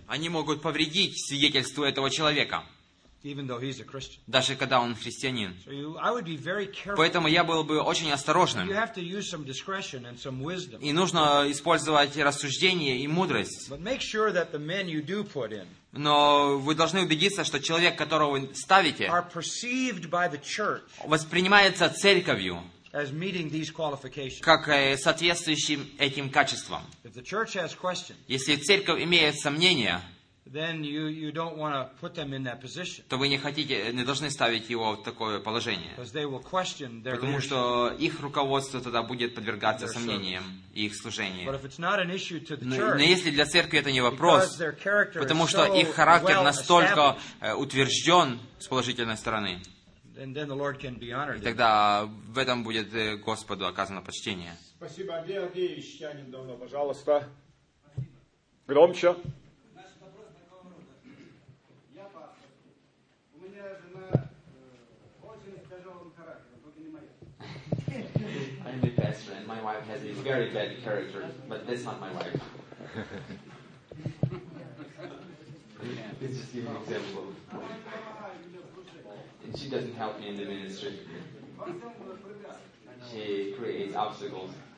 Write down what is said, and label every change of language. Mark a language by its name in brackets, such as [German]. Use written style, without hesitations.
[Russian] Они могут повредить свидетельству этого человека. [English] Even though he's a Christian. [Russian] Даже когда он христианин. [English] So I would be very careful. [Russian] Поэтому я был бы очень осторожным. [English] You have to use some discretion and some wisdom. [Russian] И нужно использовать рассуждение и мудрость. [English] But make sure that the men you do put in. [Russian] Но вы должны убедиться, что человек, которого вы ставите, [English] are perceived by the church. [Russian] Воспринимается церковью. [English] As meeting these qualifications. [Russian] Как соответствующим этим качествам. [English] If the church has questions, [Russian] если церковь имеет сомнения, [English] then you don't want to put them in that position. [Russian] То вы не хотите, не должны ставить его в такое положение. [English] Because they will question their [Russian] потому что их руководство тогда будет подвергаться сомнениям и их служению. [English] But if it's not an issue to the church, [Russian] но если для церкви это не вопрос, [English] because their character is [Russian] потому что их характер [English] well [Russian] настолько [English] established, [Russian] утвержден с положительной стороны, [English] and then the Lord can be honored. [Russian] И тогда в этом будет Господу оказано почтение. Спасибо, Андрей Ищанин, давно, пожалуйста. Спасибо. Громче. Наш вопрос такого рода. Я пастор. У меня жена очень тяжелым характером, только не моя. [English] I'm the pastor, and my wife has a very bad character, but that's not my wife. It's just an example. And she doesn't help me in the ministry. She creates obstacles.